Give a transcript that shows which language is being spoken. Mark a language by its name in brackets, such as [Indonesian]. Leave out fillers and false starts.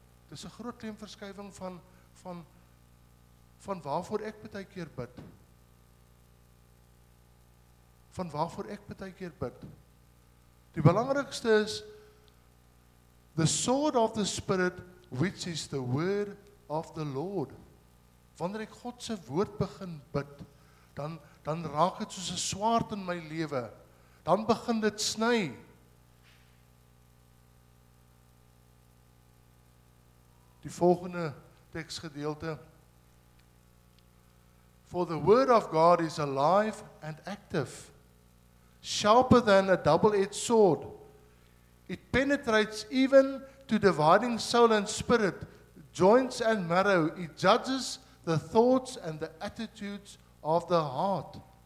[Afrikaans] Dit is 'n groot klemverskywing van waarvoor ek baie keer bid. Die belangrikste [English] is the sword of the Spirit, which is the word of the Lord. [Afrikaans] Wanneer ek God se woord begin bid, dan raak dit soos 'n swaard in my lewe. Dan begin dit sny. Die volgende teksgedeelte. [English] For the word of God is alive and active, sharper than a double-edged sword. It penetrates even to dividing soul and spirit, joints and marrow. It judges the thoughts and the attitudes of the heart.